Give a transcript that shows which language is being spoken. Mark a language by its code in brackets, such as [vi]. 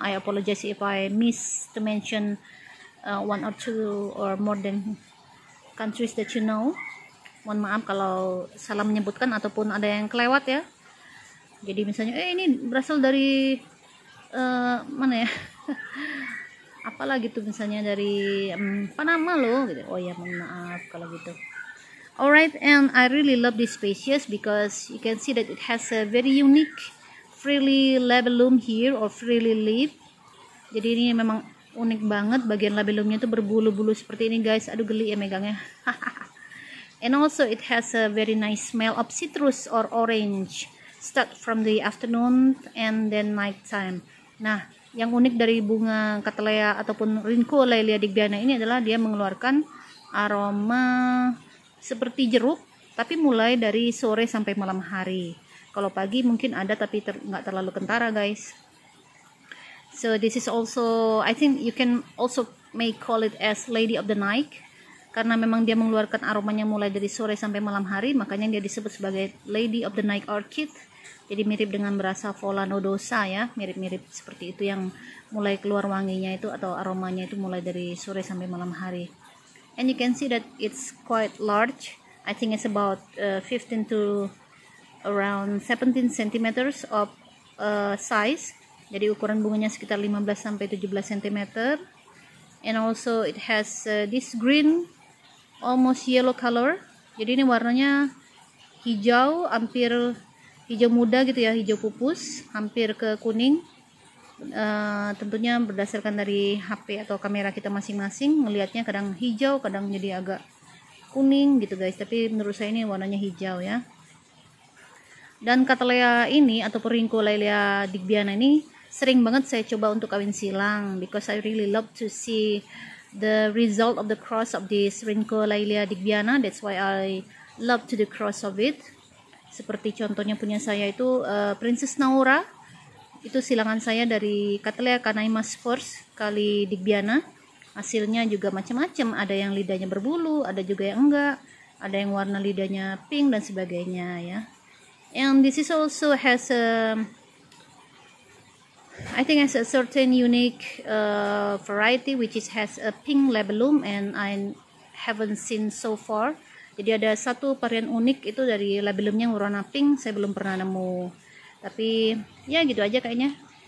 [en] I apologize if I miss to mention one or two or more than countries that you know. [id] Mohon maaf kalau salah menyebutkan ataupun ada yang kelewat ya. Jadi misalnya ini berasal dari mana ya? Apalah gitu, misalnya dari Panama loh gitu. Oh ya, mohon maaf kalau gitu. [en] Alright, and I really love this species because you can see that it has a very unique freely labellum here or freely leaf. [id] Jadi ini memang unik banget, bagian labellumnya itu berbulu-bulu seperti ini guys. Aduh geli ya megangnya. [en] And also it has a very nice smell of citrus or orange start from the afternoon and then night time. [id] Nah, yang unik dari bunga Cattleya ataupun Rhynchocoelia digbiana ini adalah dia mengeluarkan aroma seperti jeruk, tapi mulai dari sore sampai malam hari. Kalau pagi mungkin ada, tapi nggak terlalu kentara guys. [en] So this is also, I think you can also may call it as Lady of the Night. [id] Karena memang dia mengeluarkan aromanya mulai dari sore sampai malam hari, makanya dia disebut sebagai Lady of the Night Orchid. Jadi mirip dengan Brassavola nodosa ya, mirip-mirip seperti itu, yang mulai keluar wanginya itu atau aromanya itu mulai dari sore sampai malam hari. [en] And you can see that it's quite large. I think it's about 15 to around 17 cm of size. [id] Jadi ukuran bunganya sekitar 15 sampai 17 cm. [en] And also it has this green almost yellow color. [id] Jadi ini warnanya hijau, hampir hijau muda gitu ya, hijau pupus, hampir ke kuning. Tentunya berdasarkan dari HP atau kamera kita masing-masing melihatnya, kadang hijau, kadang jadi agak kuning gitu guys. Tapi menurut saya ini warnanya hijau ya. Dan Cattleya ini atau Rhynchocoelia digbiana ini sering banget saya coba untuk kawin silang, [en] because I really love to see the result of the cross of this Rhynchocoelia digbiana. That's why I love to the cross of it. [id] Seperti contohnya punya saya itu Princess Naura, itu silangan saya dari Cattleya Canaimus first kali digbiana. Hasilnya juga macam-macam, ada yang lidahnya berbulu, ada juga yang enggak, ada yang warna lidahnya pink dan sebagainya ya. [en] And this is also has a, I think has a certain unique variety which is has a pink labellum and I haven't seen so far. [id] Jadi ada satu varian unik itu dari labellumnya yang warna pink, saya belum pernah nemu. Tapi ya gitu aja kayaknya.